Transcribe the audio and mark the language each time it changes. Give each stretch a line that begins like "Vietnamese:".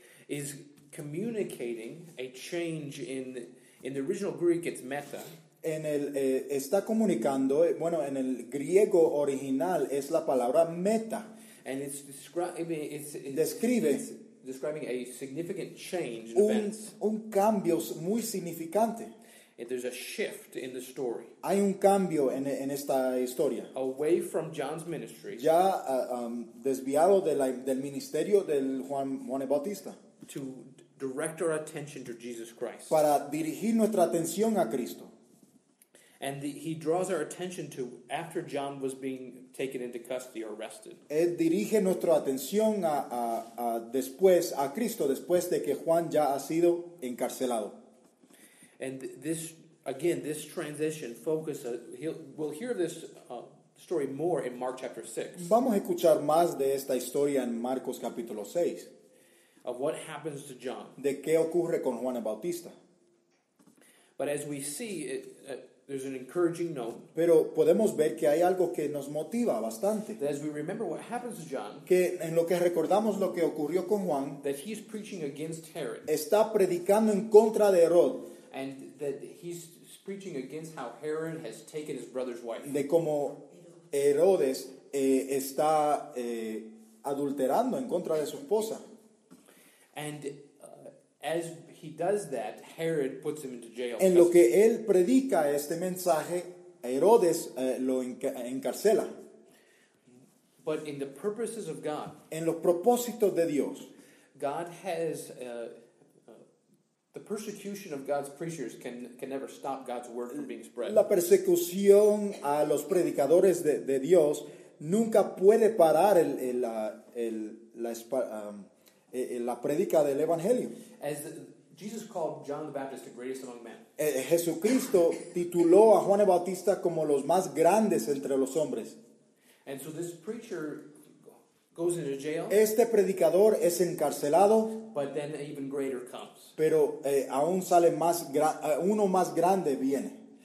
English: is communicating a change in the original Greek, it's meta.
Spanish: En el está comunicando, bueno, en el griego original es la palabra meta.
English: And it's describing it's describing a significant change in events.
Spanish: Un cambio muy significante.
English: And there's a shift in the story.
Spanish: Hay un cambio en esta historia.
English: Away from John's ministry.
Spanish: Ya desviado del ministerio del Juan el Bautista.
English: To direct our attention to Jesus Christ.
Spanish: Para dirigir nuestra atención a Cristo.
English: And he draws our attention to after John was being taken into custody or arrested.
Spanish: Él dirige nuestra atención a después a Cristo después de que Juan ya ha sido encarcelado.
English: And this again, this transition focus. We'll hear this story more in Mark chapter 6.
Spanish: Vamos a escuchar más de esta historia en Marcos capítulo 6.
English: Of what happens to John.
Spanish: De qué ocurre con Juan el Bautista.
English: But as we see, there's an encouraging note.
Spanish: Pero podemos ver que hay algo que nos motiva bastante.
English: That as we remember what happens to John.
Spanish: Que en lo que recordamos lo que ocurrió con Juan.
English: That he's preaching against Herod.
Spanish: Está predicando en contra de Herod.
English: And that he's preaching against how Herod has taken his brother's wife.
Spanish: De cómo Herodes está adulterando en contra de su esposa.
English: And as he does that, Herod puts him into jail.
Spanish: En lo que él predica este mensaje, Herodes lo encarcela.
English: But in the purposes of God,
Spanish: en los propósitos de Dios,
English: God has the persecution of God's preachers can never stop God's word from being spread.
Spanish: La persecución a los predicadores de Dios nunca puede parar la predica del Evangelio.
English: As Jesus called John the Baptist the greatest among men.
Spanish: Jesucristo tituló a Juan el Bautista como los más grandes entre los hombres.
English: And so this preacher goes into jail.
Spanish: Este predicador es encarcelado.
English: But then even greater comes.
Spanish: Pero aún sale más uno más grande viene.